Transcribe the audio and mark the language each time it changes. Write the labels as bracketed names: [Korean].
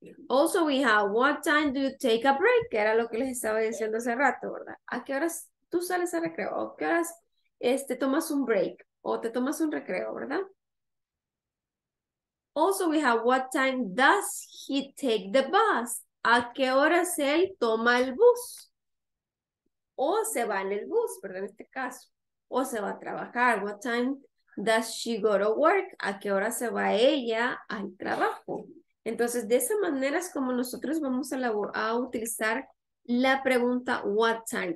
[English] Also, we have what time do you take a break? [Spanish] Que era lo que les estaba diciendo hace rato, ¿verdad? ¿A qué horas tú sales a recreo? ¿O qué horas tomas un break? ¿O te tomas un recreo, verdad? [English] Also, we have what time does he take the bus? [Spanish] ¿A qué horas él toma el bus? ¿O se va en el bus, verdad, en este caso? ¿O se va a trabajar? [English] What time does she go to work? [Spanish] ¿A qué hora se va ella al trabajo? Entonces, de esa manera es como nosotros vamos a utilizar la pregunta what time.